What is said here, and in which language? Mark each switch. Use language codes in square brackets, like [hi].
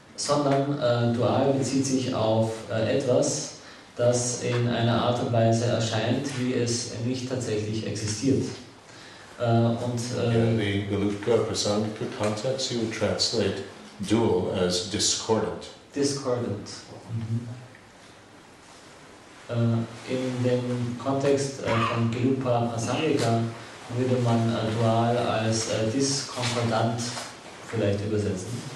[de] sondern dual bezieht sich auf etwas, das in einer Art und Weise erscheint, wie es nicht tatsächlich existiert. [en] In the Galupka Prasangika context, you would translate dual as discordant. Discordant. Mm-hmm. [de] In dem Kontext von Galupka Prasangika würde man dual als diskonkordant vielleicht übersetzen.